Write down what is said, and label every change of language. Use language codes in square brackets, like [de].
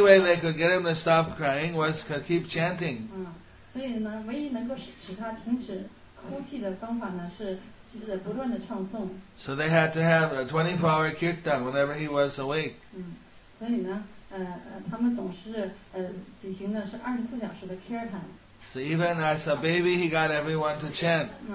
[en] the only way they could get him to stop crying was to keep chanting. [zh] 所以呢，唯一能够使他停止哭泣的方法呢，是不断的唱诵。So [en] they had to have a 24-hour kirtan whenever he was awake. [zh] 所以呢，他们总是举行的是24小时的 kirtan. [en] So even as a baby, he got everyone to chant.